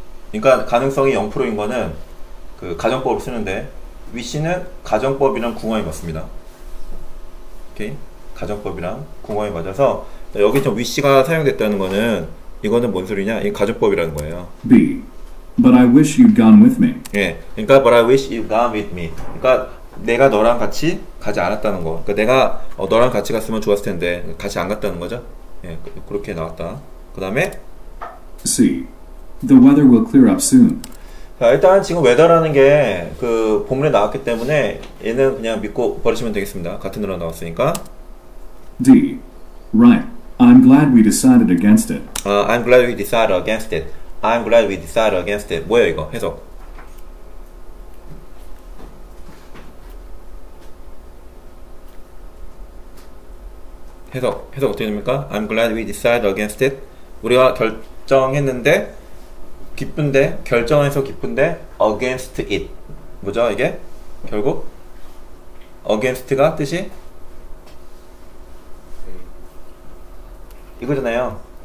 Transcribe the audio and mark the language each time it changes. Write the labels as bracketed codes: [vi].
[ko] 그러니까 가능성이 0%인 거는 가정법을 쓰는데 wish는 가정법이랑 궁합이 맞습니다. 오케이? 가정법이랑 궁합이 맞아서 여기 좀 wish가 사용됐다는 거는 이거는 뭔 소리냐? 이게 가정법이라는 거예요. [en] B. But I wish you'd gone with me. [ko] 예. [en] 그러니까 but I wish you'd gone with me. [ko] 그러니까 내가 너랑 같이 가지 않았다는 거. 그러니까 내가 너랑 같이 갔으면 좋았을 텐데 같이 안 갔다는 거죠? 예. 그렇게 나왔다. 그 다음에 [en] C. The weather will clear up soon. [ko] 자, 일단 지금 weather라는 게 본문에 나왔기 때문에 얘는 그냥 믿고 버리시면 되겠습니다. 같은 단어 나왔으니까. [en] D. Right. I'm glad we decided against it. I'm glad we decided against it. I'm glad we decided against it. [ko] 뭐예요 이거? 해석. 해석 어떻게 됩니까? I'm glad we decided against it. 우리가 결정했는데 기쁜데 결정해서 기쁜데 [en] against it [ko] 뭐죠 이게 결국 against가 뜻이 이거잖아요.